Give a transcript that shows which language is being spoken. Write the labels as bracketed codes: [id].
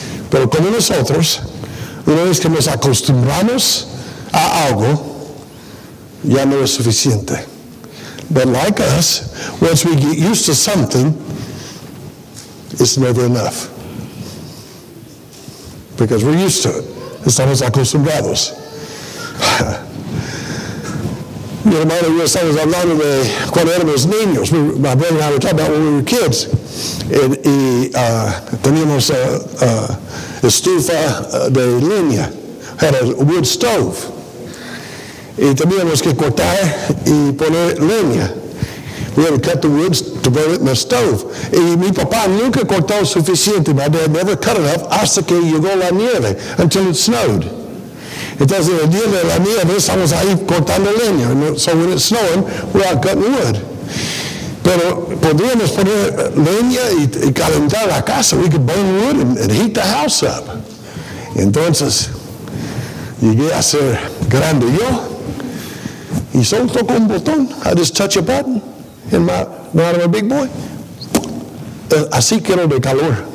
[es] Pero como nosotros, una vez que nos acostumbramos a algo, ya no es suficiente. [en] But like us, once we get used to something, it's never enough. Because we're used to it. [es] Estamos acostumbrados. Mi hermano y yo estamos hablando de cuando éramos niños. [en] My brother and I were talking about when we were kids. [es] Teníamos estufa de leña. [en] Had a wood stove. [es] Y teníamos que cortar y poner leña. [en] We had to cut the wood to burn it in the stove. [es] Y mi papá nunca cortó suficiente. [en] My dad never cut enough [es] hasta que llegó la nieve, [en] until it snowed. [es] Entonces, el día de la nieve, estamos ahí cortando leña. [en] So when it's snowing, we're out cutting wood. [es] Pero podríamos poner leña y calentar la casa. [en] We could burn wood and heat the house up. [es] Entonces, llegué a ser grande yo. Y solo toco un botón. [en] I just touch a button. In my mind, I'm a big boy. [es] Así quiero de calor.